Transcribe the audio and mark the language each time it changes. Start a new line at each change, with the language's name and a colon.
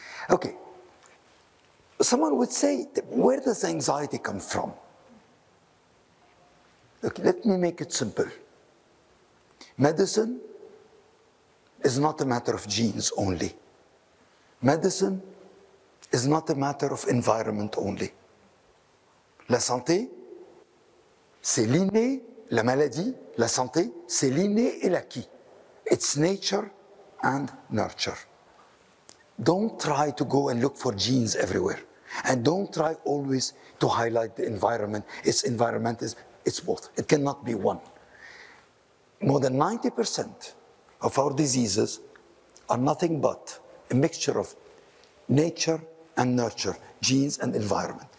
English: Okay, someone would say, where does anxiety come from? Okay, let me make it simple. Medicine is not a matter of genes only. Medicine is not a matter of environment only.
French: La santé, c'est l'inné, la maladie, la santé, c'est l'inné et l'acquis.
English: It's nature and nurture. Don't try to go and look for genes everywhere. And don't try always to highlight the environment. It's environment, it's both. It cannot be one. More than 90% of our diseases are nothing but a mixture of nature and nurture, genes and environment.